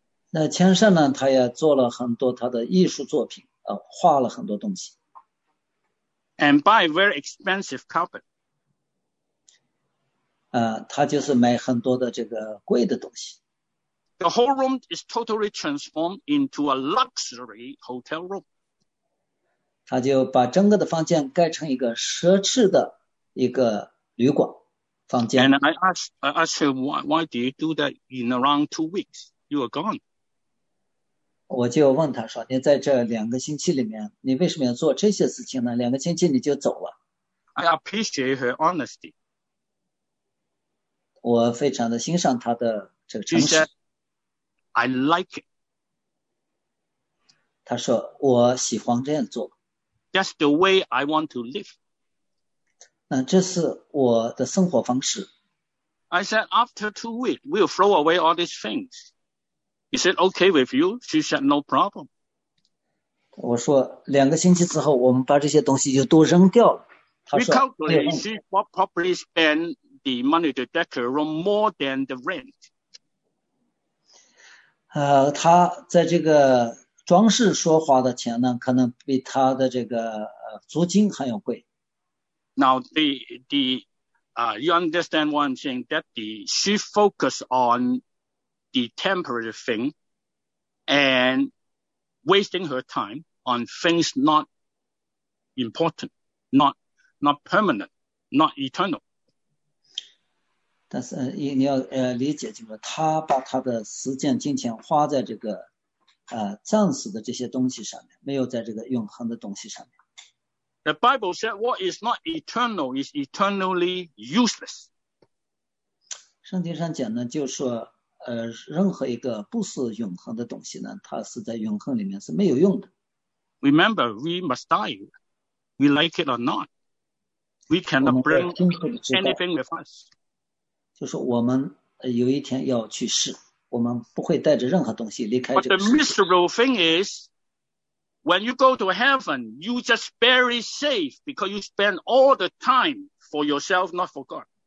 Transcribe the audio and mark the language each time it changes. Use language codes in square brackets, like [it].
[zh] 那墙上呢，他也做了很多他的艺术作品，画了很多东西。 [en] And buy very expensive carpet. [zh] 他就是买很多的这个贵的东西。 [en] The whole room is totally transformed into a luxury hotel room. [zh] 他就把整个的房间盖成一个奢侈的。一个旅馆房间。 [en] And I asked her why do you do that in around 2 weeks? You are gone. [zh] 我就问她说，你在这两个星期里面，你为什么要做这些事情呢？两个星期你就走了。 [en] I appreciate her honesty. [zh] 我非常的欣赏她的这个诚实。 [en] She said, I like it. [zh] 她说，我喜欢这样做。 [en] That's the way I want to live. [zh] 这是我的生活方式。 [en] I said, after 2 weeks, we'll throw away all these things. He said, okay with you. She said, no problem. [zh] 我说两个星期之后我们把这些东西就都扔掉了。 [en] We calculate she probably spend the money to decorate room more than the rent. [zh] 他在这个装饰说花的钱呢可能比他的这个租金还要贵。 [en] Now, you understand what I'm saying, that she focused on the temporary thing and wasting her time on things not important, not permanent, not eternal. [zh] 但是你要理解，就是他把他的时间、金钱花在这个暂时的这些东西上面，没有在这个永恒的东西上面。 [en] The Bible said what is not eternal is eternally useless. [zh] 圣经上讲呢，就是说任何一个不是永恒的东西呢，它是在永恒里面是没有用的。 [en] Remember, we must die, we like it or not. We cannot bring anything with us. [zh] 就是我们有一天要去世，我们不会带着任何东西离开这个世界。 [en] But the miserable thing is, when you go to heaven, you just barely safe because you spend all the time for yourself, not for God.